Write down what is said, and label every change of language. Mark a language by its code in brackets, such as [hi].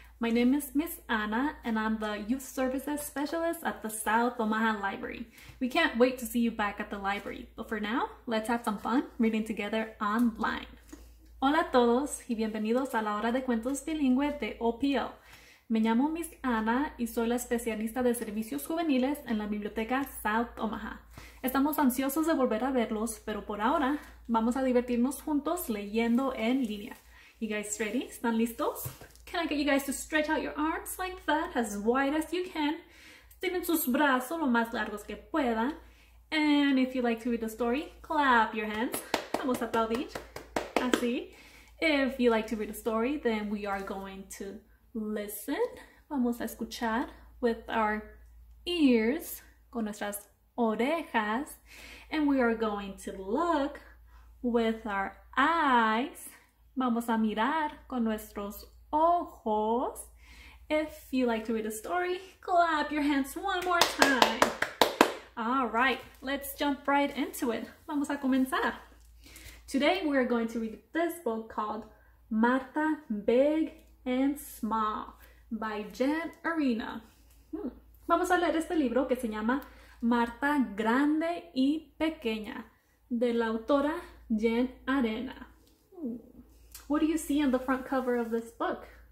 [en] My name is Miss Anna, and I'm the Youth Services Specialist at the South Omaha Library. We can't wait to see you back at the library, but for now, let's have some fun reading together online. [es] Hola a todos y bienvenidos a la hora de cuentos bilingüe de OPL. Me llamo Miss Anna y soy la especialista de servicios juveniles en la biblioteca South Omaha. Estamos ansiosos de volver a verlos, pero por ahora vamos a divertirnos juntos leyendo en línea. [en] You guys ready? [es] ¿Están listos? [en] Can I get you guys to stretch out your arms like that, as wide as you can? [es] Tienen sus brazos lo más largos que puedan. [en] And if you'd like to read the story, clap your hands. [es] Vamos a aplaudir. Así. [en] If you like to read the story, then we are going to listen. [es] Vamos a escuchar [en] with our ears, [es] con nuestras orejas. [en] And we are going to look with our eyes. [es] Vamos a mirar con nuestros ojos. [en] If you like to read a story, clap your hands one more time. All right, let's jump right into it. [es] Vamos a comenzar. [en] Today we're going to read this book called Marta Big and Small by Jen Arena. [es] Vamos a leer este libro que se llama Marta Grande y Pequeña, de la autora Jen Arena. [en] What do you see on the front cover of this book?